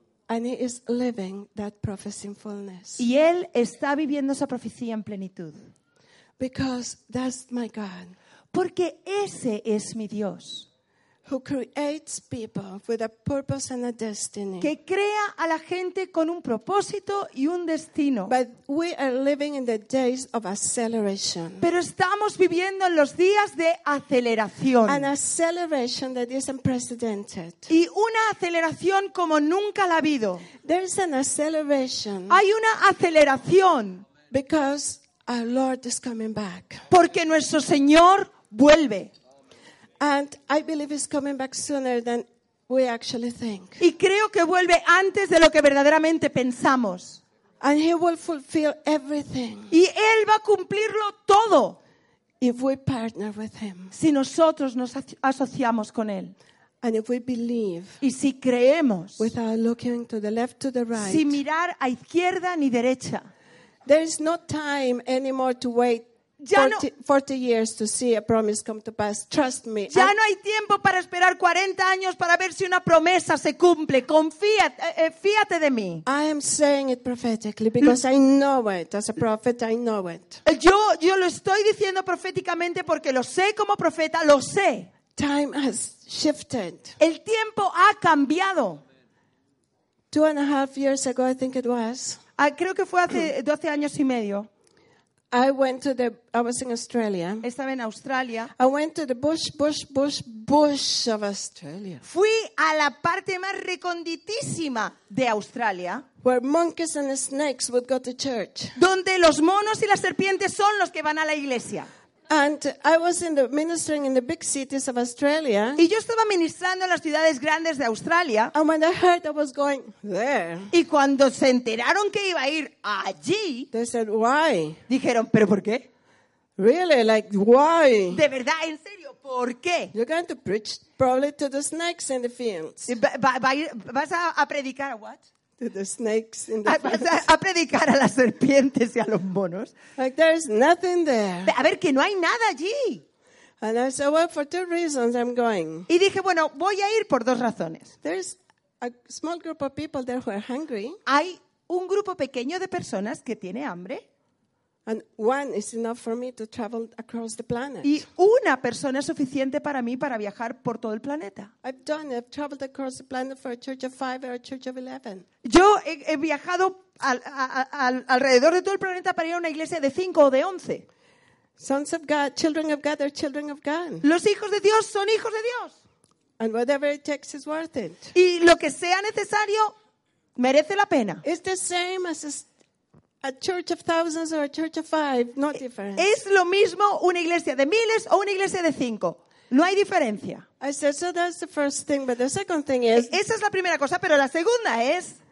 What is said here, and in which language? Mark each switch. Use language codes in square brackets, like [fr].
[en] And he is living that prophecy in fullness. [es] Y él está viviendo esa profecía en plenitud. [en] Because that's my God. [es] Porque ese es mi Dios. [en] Who creates people with a purpose and a destiny. [es] Que crea a la gente con un propósito y un destino. [en] But we are living in the days of acceleration. [es] Pero estamos viviendo en los días de aceleración. [en] An acceleration that is unprecedented. [es] Y una aceleración como nunca la ha habido. [en] There is an acceleration. [es] Hay una aceleración. [en] Because our Lord is coming back. [es] Porque nuestro Señor vuelve. [en] And I believe it's coming back sooner than we actually think. [es] Y creo que vuelve antes de lo que verdaderamente pensamos. [en] And he will fulfill everything. [es] Y él va a cumplirlo todo. [en] If we partner with him. [es] Si nosotros nos asociamos con él. [en] And if we believe. [es] Y si creemos. [en] Without looking to the left to the right. [es] Sin mirar a izquierda ni derecha. [en] There is no time anymore to wait. 40 years to see a promise come to pass. Trust me. [es] Ya no hay tiempo para esperar 40 años para ver si una promesa se cumple. Confía, fíate de mí. [en] I am saying it prophetically because I know it. As a prophet, I know it. [es] Yo lo estoy diciendo proféticamente porque lo sé como profeta, lo sé. [en] Time has shifted. [es] El tiempo ha cambiado. [en] 2.5 years ago, I think it was. [es] Creo que fue hace 12 años y medio. [en] I was in Australia. [es] Estaba en Australia. [en] I went to the bush of Australia. [es] Fui a la parte más reconditísima de Australia. [en] Where monkeys and snakes would go to church. [es] Donde los monos y las serpientes son los que van a la iglesia. [en] And I was ministering in the big cities of Australia. [es] Y yo estaba ministrando en las ciudades grandes de Australia. [en] And when I heard I was going there. [es] Y cuando se enteraron que iba a ir allí. [en] They said, why? [es] Dijeron, ¿pero por qué? [en] Really, like, why? [es] De verdad, en serio, ¿por qué? [en] You're going to preach probably to the snakes in the fields. [es] ¿Vas a predicar a [en] what? To the snakes in the forest. [es] A predicar a las serpientes y a los monos. [en] Like there's nothing there. [es] A ver, que no hay nada allí. [en] And I said, well, for 2 reasons I'm going. [es] Y dije, bueno, voy a ir por 2 razones. [en] There's a small group of people there who are hungry. [es] Hay un grupo pequeño de personas que tiene hambre. [en] And one is enough for me to travel across the planet. [es] Y una persona es suficiente para mí para viajar por todo el planeta. [en] I've done it. I've traveled across the planet for a church of 5 or a church of 11. [es] Yo he viajado alrededor de todo el planeta para ir a una iglesia de 5 o de 11. [en] Sons of God, children of God, are children of God. [es] Los hijos de Dios son hijos de Dios. [en] And whatever it takes is worth it. [es] Y lo que sea necesario merece la pena. [en] It's the same as a church of thousands or a church of 5, no difference. [es] Es lo mismo una iglesia de miles o una iglesia de 5. No hay diferencia. [en] I said, so that's the first thing, but the second thing is. [es] Esa es la primera cosa, pero la segunda es.